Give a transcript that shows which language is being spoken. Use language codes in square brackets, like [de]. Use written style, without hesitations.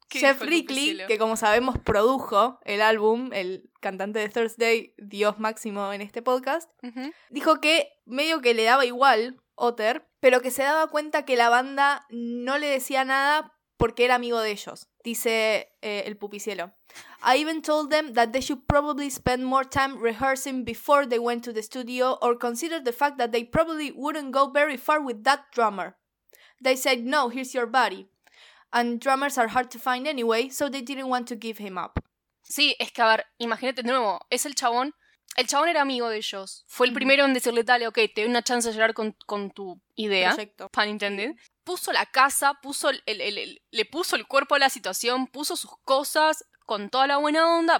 [es] Jeff Rickley, que como sabemos produjo el álbum, el cantante de Thursday, Dios máximo en este podcast, dijo que medio que le daba igual Otter, pero que se daba cuenta que la banda no le decía nada porque era amigo de ellos, dice el pupicielo. [en] "I even told them that they should probably spend more time rehearsing before they went to the studio or consider the fact that they probably wouldn't go very far with that drummer. They said, no, here's your buddy. And drummers are hard to find anyway, so they didn't want to give him up." [es] Sí, es que, a ver, imagínate, de nuevo, es el chabón. El chabón era amigo de ellos. Fue el primero en decirle, dale, ok, te doy una chance de llegar con tu idea. Perfecto. [en] Pun intended. [es] Sí. Puso la casa, puso le puso el cuerpo a la situación, puso sus cosas con toda la buena onda.